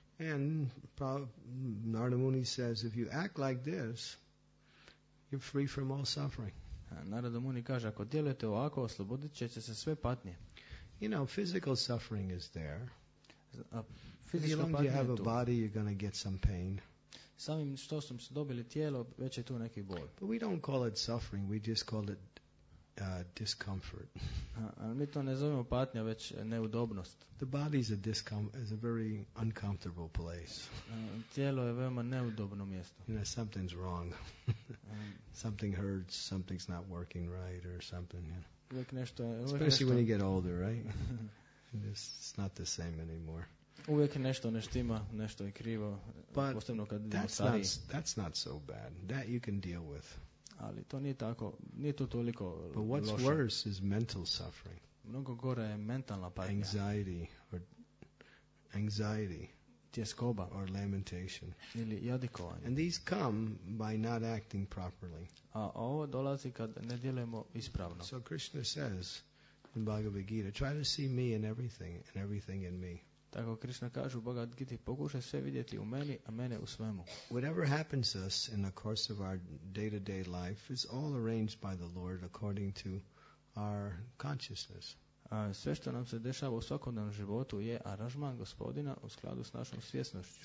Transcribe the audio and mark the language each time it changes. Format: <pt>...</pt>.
<en>And Narada Muni says, if you act like this, you're free from all suffering.</en> <hr>Narada Muni kaže, ako djelujete ovako, oslobodit ćete se sve patnje.</hr> <en>You know, physical suffering is there. Physical</en> <hr>patnje</hr> <en>you have a body, you're going to get some pain.</en> <hr>Samim što sam dobili tijelo, već je tu neki bol.</hr> <en>But we don't call it suffering, we just call it discomfort.</en> <hr>Mi to ne zovemo patnja, već neudobnost.</hr> <en>The body is a very uncomfortable place.</en> <hr>Tijelo je veoma neudobno mjesto.</hr> <en>You know, something's wrong. Something hurts, something's not working right or something. You know.</en> <hr>Nešto,</hr> <en>especially</en> <hr>nešto.</hr> <en>When you get older, right? It's not the same anymore.</en> <hr>Uvijek nešto ne štima, nešto je krivo, posebno kad idemo stariji.</hr> <en>That's not so bad. That you can deal with.</en> <hr>Ali to nije tako, nije to toliko loše.</hr> <en>But what's worse is mental suffering.</en> <hr>Mnogo gore je mentalna patnja.</hr> <en>Anxiety.</en> <hr>Tjeskoba.</hr> <en>Or lamentation.</en> <hr>Ili jadikovanje.</hr> <en>And these come by not acting properly.</en> <hr>A ovo dolazi kad ne djelujemo ispravno.</hr> <en>So Krishna says in Bhagavad Gita, try to see me in everything, and everything in me.</en> <hr>Tako Krishna kaže u Bhagavad Gita, pokušaj sve vidjeti u meni, a mene u svemu.</hr> <en>Whatever happens to us in the course of our day-to-day life is all arranged by the Lord according to our consciousness.</en> <hr>Sve što nam se dešava u svakodnevnom životu je aranžman gospodina u skladu s našom svjesnošću.</hr>